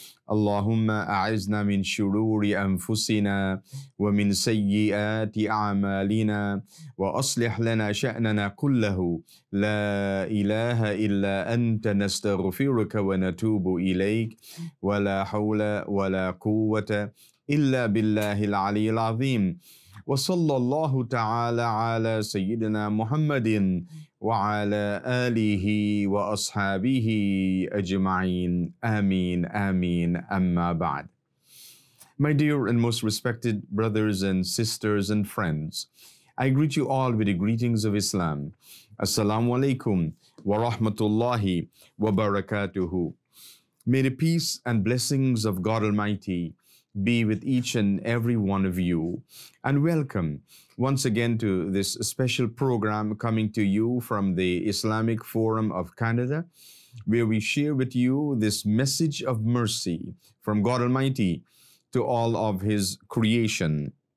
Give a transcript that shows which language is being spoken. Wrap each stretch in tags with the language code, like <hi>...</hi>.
<ar>اللهم أعزنا من شرور أنفسنا ومن سيئات أعمالنا وأصلح لنا شأننا كله لا إله إلا أنت نستغفرك ونتوب إليك ولا حول ولا قوة إلا بالله العلي العظيم وصلى الله تعالى على سيدنا محمد وعلى آله وأصحابه أجمعين آمين آمين أما بعد.</ar> <en>My dear and most respected brothers and sisters and friends, I greet you all with the greetings of Islam. Assalamu alaikum wa rahmatullahi wa barakatuhu. May the peace and blessings of God Almighty be with each and every one of you. And welcome once again to this special program coming to you from the Islamic Forum of Canada, where we share with you this message of mercy from God Almighty to all of His creation.</en>